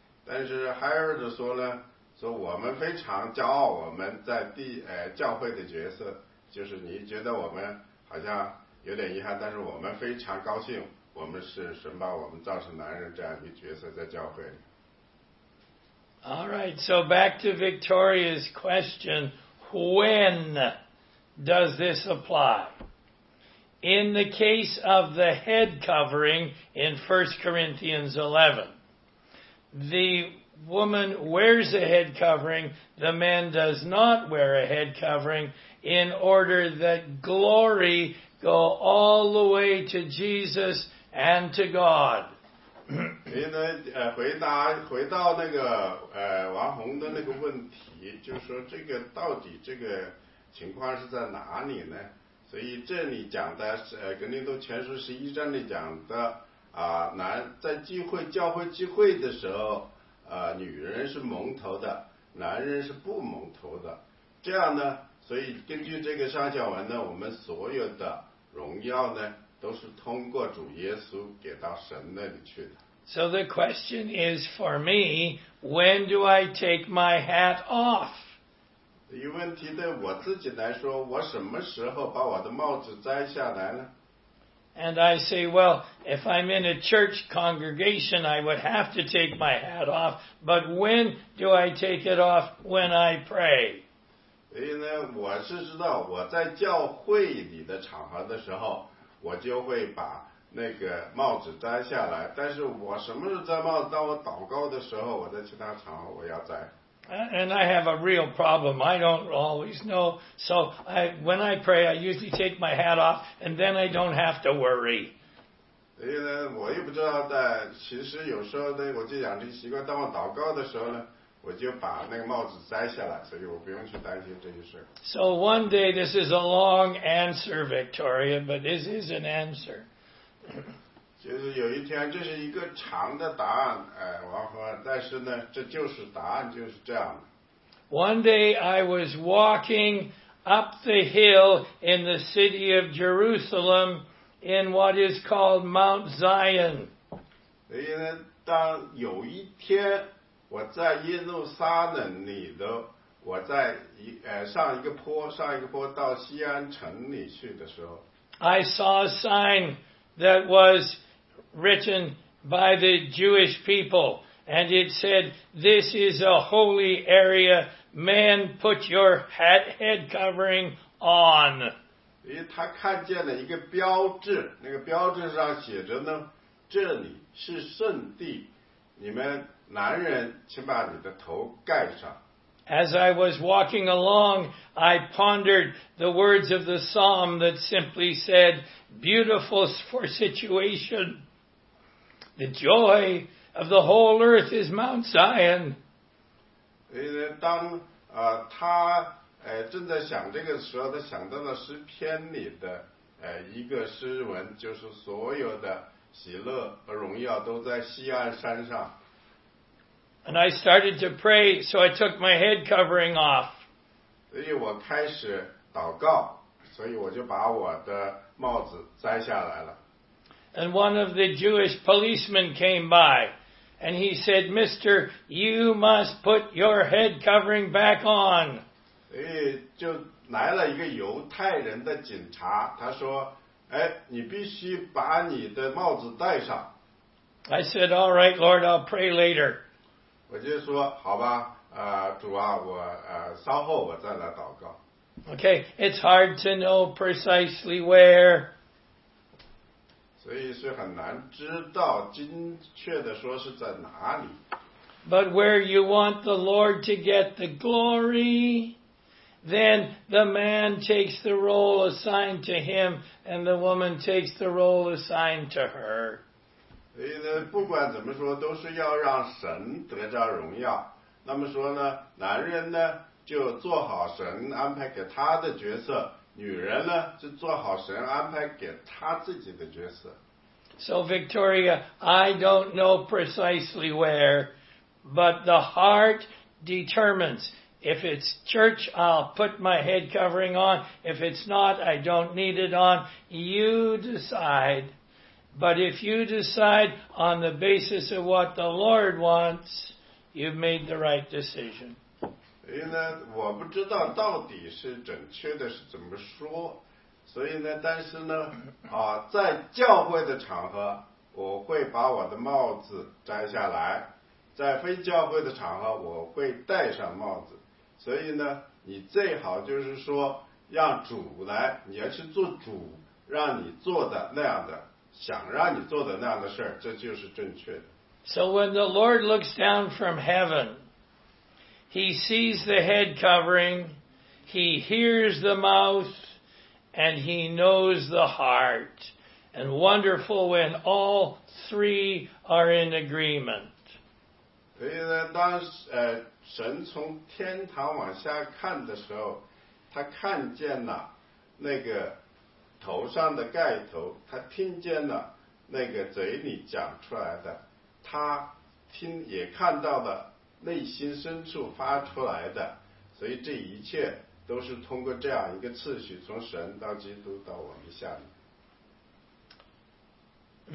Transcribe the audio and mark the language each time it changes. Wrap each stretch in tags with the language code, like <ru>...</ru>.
<zh>但是海尔德说呢。说我们非常骄傲，我们在教会的角色，就是你觉得我们好像有点遗憾，但是我们非常高兴，我们是神把我们造成男人这样一个角色在教会里。</zh> <en>All right, so back to Victoria's question, when does this apply? In the case of the head covering in 1 Corinthians 11, the woman wears a head covering, the man does not wear a head covering, in order that glory go all the way to Jesus and to God.</en> <zh>所以呢，回到那个王红的那个问题，就是说这个到底这个情况是在哪里呢？所以这里讲的是格林多前书十一章里讲的在教会聚会的时候。女人是蒙头的，男人是不蒙头的。这样呢，所以根据这个上下文呢，我们所有的荣耀呢，都是通过主耶稣给到神那里去的。</zh> <en>So the question is for me, when do I take my hat off?</en> <zh>这个问题对我自己来说，我什么时候把我的帽子摘下来呢？</zh> <en>And I say, well, if I'm in a church congregation, I would have to take my hat off. But when do I take it off? When I pray.</en> <zh>所以呢，我是知道我在教会里的场合的时候，我就会把那个帽子摘下来。但是我什么时候摘帽子？当我祷告的时候，我在其他场合我要摘。</zh> <en>And I have a real problem. I don't always know. So when I pray, I usually take my hat off, and then I don't have to worry.</en> <zh>所以呢，我也不知道的。其实有时候呢，我就养成习惯，当我祷告的时候呢，我就把那个帽子摘下来，所以我不用去担心这些事。</zh> <en>So one day, this is a long answer, Victoria, but this is an answer.</en> <zh>就是有一天，这是一个长的答案，王和，但是呢，这就是答案，就是这样的。</zh> <en>One day I was walking up the hill in the city of Jerusalem in what is called Mount Zion.</en> <zh>所以呢，当有一天我在耶路撒冷里的，我在上一个坡到西安城里去的时候</zh> <en>，I saw a sign that was written by the Jewish people, and it said, "This is a holy area. Man, put your head covering on."</en> <zh>因为他看见了一个标志，那个标志上写着呢，这里是圣地，你们男人请把你的头盖上。</zh> <en>As I was walking along, I pondered the words of the psalm that simply said, "Beautiful for situation." The joy of the whole earth is Mount Zion.</en> <zh>当他正在想这个时候，他想到了诗篇里的一个诗文，就是所有的喜乐和荣耀都在锡安山上。</zh> <en>And I started to pray, so I took my head covering off.</en> <zh>所以我开始祷告，所以我就把我的帽子摘下来了。</zh> <en>And one of the Jewish policemen came by, and he said, "Mister, you must put your head covering back on."</en> <zh>就来了一个犹太人的警察，他说，你必须把你的帽子戴上。</zh> <en>I said, all right, Lord, I'll pray later.</en> <zh>我就说好吧、主啊我、稍后我再来祷告。</zh> <en>Okay, it's hard to know precisely where.</en> <zh>所以是很难知道精确的说是在哪里。</zh> <en>But where you want the Lord to get the glory, then the man takes the role assigned to him, and the woman takes the role assigned to her.</en> <zh>所以呢，不管怎么说，都是要让神得着荣耀。那么说呢，男人呢，就做好神安排给他的角色，女人呢，就做好神安排给他自己的角色。</zh> <en>So, Victoria, I don't know precisely where... But the heart determines. If it's church, I'll put my head covering on. If it's not, I don't need it on. You decide. But if you decide on the basis of what the Lord wants, you've made the right decision.</en> <zh>所以呢，我不知道到底是准确的是怎么说。所以呢，但是呢，在教会的场合，我会把我的帽子摘下来。在非教会的场合我会戴上帽子所以呢你最好就是说让主来你要去做主让你做的那样的想让你做的那样的事这就是正确的</zh> <en>So when the Lord looks down from heaven He sees the head covering He hears the mouth And He knows the heart And wonderful when all three are in agreement</en> <zh>所以呢，当神从天堂往下看的时候，他看见了那个头上的盖头，他听见了那个嘴里讲出来的，他听也看到了内心深处发出来的，所以这一切都是通过这样一个次序，从神到基督到我们下面。</zh>